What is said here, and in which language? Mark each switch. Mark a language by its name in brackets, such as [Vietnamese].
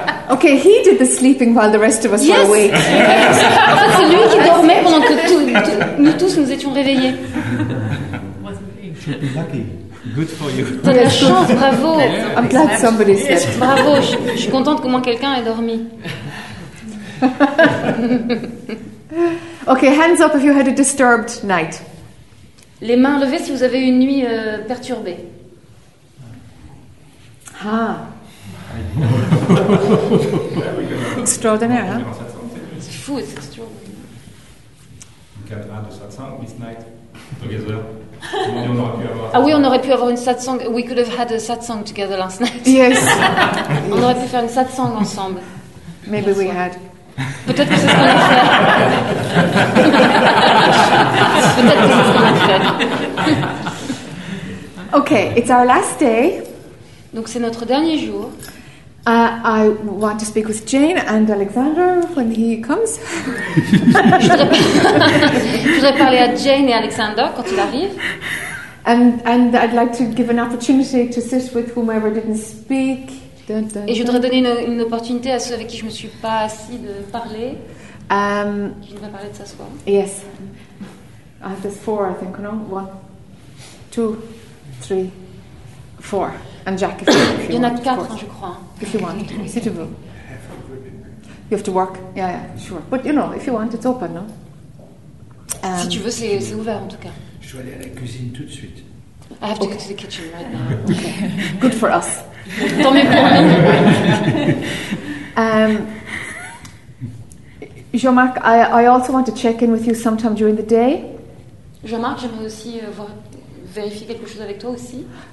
[English] Okay, he did the sleeping while the rest of us yes. were awake. [French] En fait, c'est lui qui dormait pendant que nous tous nous étions réveillés. [English] Wasn't me. Lucky. Good for you. [French] T'as la chance, bravo. [English] I'm glad somebody slept. [French] Bravo, je suis contente qu'au moins quelqu'un ait dormi. [English] Okay, hands up if you had a disturbed night. [French] Les mains levées si vous avez une nuit perturbée. Ah. Extraordinaire, hein? C'est fou, c'est extraordinaire. 4 heures de satsang, [English] midnight, together. [French] On aurait pu avoir ah oui, on aurait pu avoir une satsang. [English] We could have had a satsang together last night. Yes. [French] On aurait pu faire une satsang ensemble. [English] Maybe we had. [French] Peut-être que c'est ce qu'on a fait. Peut-être que c'est ce qu'on a fait. [English] Okay, it's our last day. [French] Donc c'est notre dernier jour. [English] I want to speak with Jane and Alexander when he comes. [French] Je voudrais parler à Jane et Alexander quand il arrive. [English] And I'd like to give an opportunity to sit with whomever didn't speak. [French] Et je voudrais donner une opportunité à ceux avec qui je ne me suis pas assis de parler. Je voudrais parler de s'asseoir. [English] Yes. I have this four, I think, no? One, two, three, four. And Jack, if you [French] il y en a [English] want, [French] quatre, je crois. [English] If you want, sit a little. You have to work. Yeah, yeah, sure. But you know, if you want, it's open, no? [French] Si tu veux, c'est ouvert, en tout cas. Je vais aller à la cuisine tout de suite. [English] I have to go to the kitchen right now. Okay. Good for us. [French] Tant mieux pour nous. [English] Jean-Marc, I also want to check in with you sometime during the day. [French] Jean-Marc, j'aimerais aussi vérifier quelque chose avec toi aussi.